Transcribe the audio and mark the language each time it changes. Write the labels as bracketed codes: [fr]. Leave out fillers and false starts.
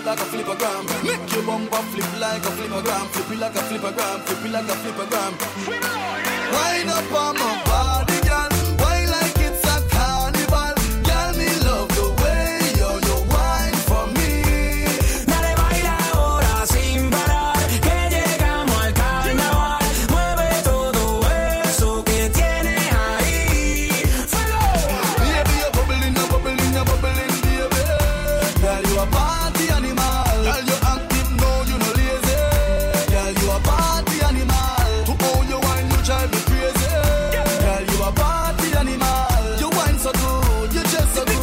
[en] Flip a gram, make your bumper flip like a flipper gram. Wind up on my body, girl, why like it's a carnival? Girl, me love the way you wind for me. [es] Dale, baila ahora sin parar, que llegamos al carnaval. Mueve todo eso que tiene ahí. Fuego. [en] Baby, you're bubbling, you're bubbling, you're bubbling, baby. Girl, you a party animal. Girl, you active, no, you no lazy. Girl, you a party animal. To all your wine, you child be crazy. Girl, you a party animal. You wine so good, you just so good.